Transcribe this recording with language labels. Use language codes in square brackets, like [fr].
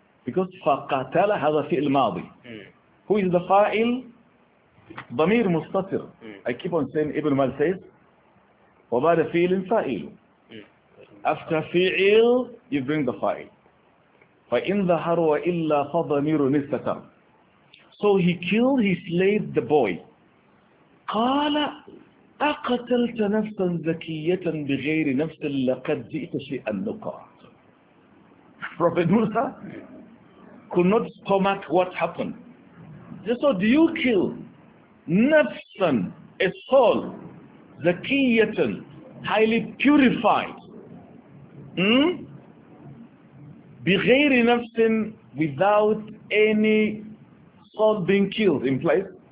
[en] Because [ar] فقتل هذا فعل الماضي. Who is the فاعل؟ ضمير مستتر. [en] I keep on saying [ar] ابن مالسيس. وبعد فعل فاعل. [en] After فعل you bring the فاعل. [ar] فإن ظهر وإلا فضمير مستتر. [en] So he killed, he slayed the boy. [ar] قال أقتلت نفسا زكية بغير نفس لقد جئت شيئا نكرا. [en] Prophet Musa could not stomach what happened. He said, do you kill nafsan, a soul, zakiyatan, highly purified, [ar] bighayri nafsin, [en] without any soul being killed in place?